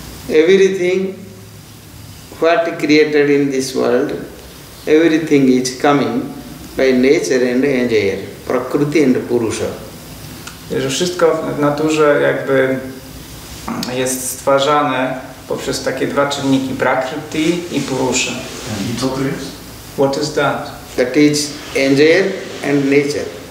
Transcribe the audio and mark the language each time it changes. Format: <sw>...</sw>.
<en>Everything what created in this world, everything is coming by nature and anger. Prakruti and Purusha.</en> <pl>Że wszystko w naturze jakby jest stwarzane poprzez takie dwa czynniki, Prakruti i Purusha.</pl> <en>What is that? That is enjoy and nature.</en>